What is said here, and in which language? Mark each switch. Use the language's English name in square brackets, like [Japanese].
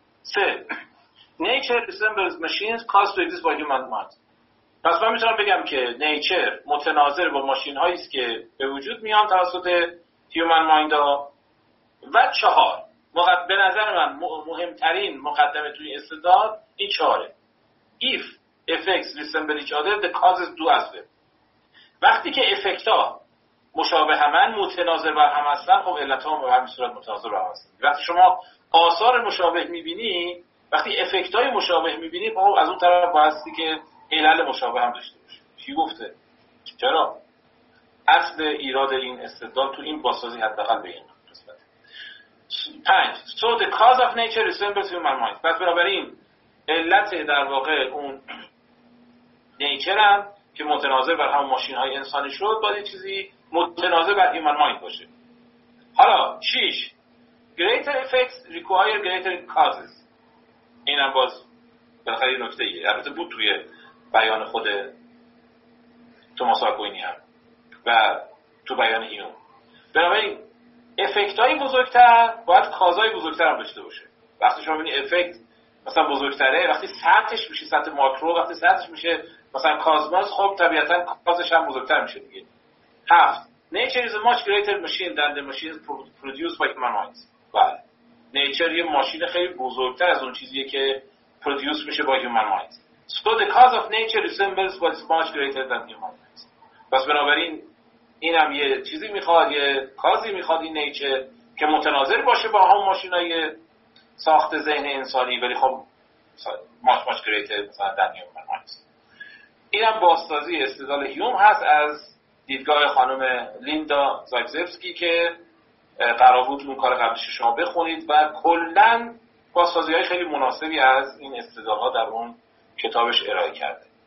[English] 3. Nature resembles machines caused to exist by human mind. [Persian] پس من میتونم بگم که نیچر متناظر با ماشین هاییست که به وجود میان توسط [English] human mind [Persian] ها. و 4. به نظر من مهمترین مقدمه توی استدلال این 4. [English] If effects resemble each other, the causes do as well. [Persian] وقتی که افکت ها مشابه همان متناظر بر هم هستن، خب علت ها هم به همین صورت متناظر بر هم هستن. وقتی شما آثار مشابه میبینی، وقتی افکت های مشابه میبینی، خب از اون طرف بایستی که علل مشابه هم داشته باشه. چی گفته؟ چرا؟ اصل ایراد این استدلال تو این بازسازی حداقل به این نسبت. 5. [English] So the cause of nature is simple human mind. [Persian] پس بنابراین علت در واقع اون نیچر هم که متناظر بر هم ماشین های انسانی شد، باید چیزی متناظر بر هیومن مایند باشه. حالا [English] 6. Greater effects require greater causes. [Persian] این هم باز بالاخره یه نکته یه البته بود توی بیان خود توماس آکوینی هم و تو بیان هیوم. بنابراین افکت های بزرگتر باید کازهای بزرگتر هم داشته باشه. وقتی شما ببینید افکت مثلا بزرگتره، وقتی سطحش میشه سطح ماکرو، وقتی سطحش میشه مثلا کازماس، خب طبیعتاً کازش هم بزرگتر میشه دیگه. 7. [English] Nature is a much greater machine than the machines produced by human minds. [Persian] بله. Nature یه ماشین خیلی بزرگتر از اون چیزیه که پرودیوس میشه با [English] human minds. So the cause of nature resembles what is much greater than human minds. [Persian] پس بنابراین این هم یه چیزی میخواد، یه کازی میخواد این nature که متناظر باشه با هم ماشین های ساخت ذهن انسانی، ولی خب [English] much greater than human minds. [Persian] این هم بازسازی استدلال هیوم هست از دیدگاه خانم لیندا زایگزفسکی که قرار بود اون کار قبلش شما بخونید و کلن بازسازی های خیلی مناسبی از این استدلال ها در اون کتابش ارائه کرده.